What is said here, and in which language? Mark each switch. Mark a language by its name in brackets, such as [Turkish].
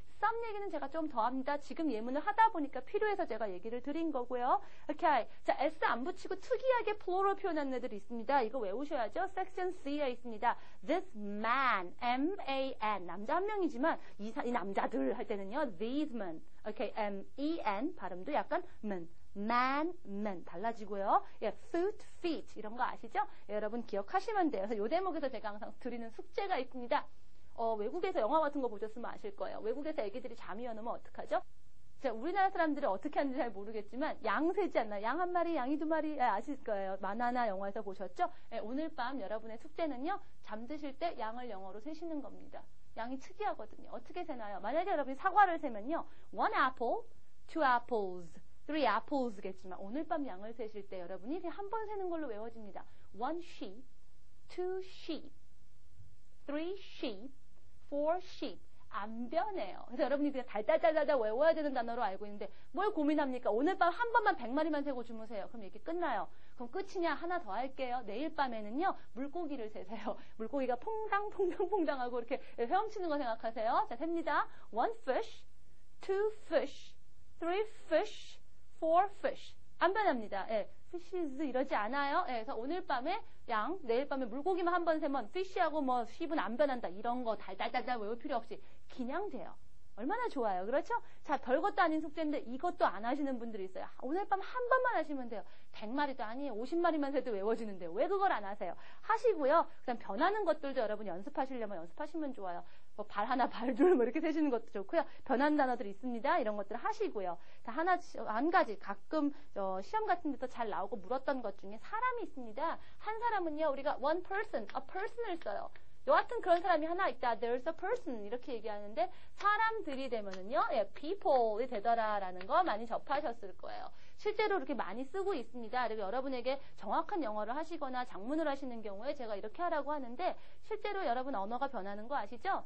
[Korean] 썸 얘기는 제가 좀 더 합니다. 지금 예문을 하다 보니까 필요해서 제가 얘기를 드린 거고요. 오케이. 자, S 안 붙이고 특이하게 plural 표현한 애들 있습니다. 이거 외우셔야죠. Section C에 있습니다. [English] This man, M-A-N. [Korean] 남자 한 명이지만 이 남자들 할 때는요. [English] These men. 오케이. M-E-N. [Korean] 발음도 약간 [English] men. [Korean] man, man 달라지고요. 예, foot, feet 이런 거 아시죠? 예, 여러분 기억하시면 돼요. 그래서 이 대목에서 제가 항상 드리는 숙제가 있습니다. 외국에서 영화 같은 거 보셨으면 아실 거예요. 외국에서 애기들이 잠이 안 오면 어떡하죠? 자, 우리나라 사람들은 어떻게 하는지 잘 모르겠지만 양 세지 않나? 양 한 마리, 양이 두 마리 아실 거예요. 만화나 영화에서 보셨죠? 예, 오늘 밤 여러분의 숙제는요. 잠드실 때 양을 영어로 세시는 겁니다. 양이 특이하거든요. 어떻게 세나요? 만약에 여러분이 사과를 세면요. [English] One apple, two apples, three apples [Korean] 겠지만 오늘 밤 양을 세실 때 여러분이 한 번 세는 걸로 외워집니다. [English] One sheep, two sheep, three sheep, four sheep. [Korean] 안 변해요. 그래서 여러분이 그냥 달달달달달 외워야 되는 단어로 알고 있는데 뭘 고민합니까? 오늘 밤 한 번만 100마리만 세고 주무세요. 그럼 이렇게 끝나요. 그럼 끝이냐? 하나 더 할게요. 내일 밤에는요. 물고기를 세세요. 물고기가 퐁당퐁당퐁당하고 이렇게 헤엄치는 거 생각하세요. 자, 셉니다. [English] One fish, two fish, three fish, four fish. [Korean] 안 변합니다. 예. fishes 이러지 않아요. 예, 그래서 오늘 밤에 양, 내일 밤에 물고기만 한번 세면 fish하고 뭐 sheep은 안 변한다. 이런 거 달달달달 외울 필요 없이 그냥 돼요. 얼마나 좋아요. 그렇죠? 자, 별것도 아닌 숙제인데 이것도 안 하시는 분들이 있어요. 오늘 밤 한 번만 하시면 돼요. 100마리도 아니에요. 50마리만 해도 외워지는데 왜 그걸 안 하세요? 하시고요. 그다음 변하는 것들도 여러분 연습하시려면 연습하시면 좋아요. 뭐 발 하나, 발 둘 뭐 이렇게 세시는 것도 좋고요. 변한 단어들이 있습니다. 이런 것들 하시고요. 다 하나, 한 가지 가끔 시험 같은 데서 잘 나오고 물었던 것 중에 사람이 있습니다. 한 사람은요. 우리가 one person, a person을 써요. 여하튼 그런 사람이 하나 있다. [English] There's a person [Korean] 이렇게 얘기하는데 사람들이 되면은요, 예, people이 되더라라는 거 많이 접하셨을 거예요. 실제로 이렇게 많이 쓰고 있습니다. 그리고 여러분에게 정확한 영어를 하시거나 작문을 하시는 경우에 제가 이렇게 하라고 하는데 실제로 여러분 언어가 변하는 거 아시죠?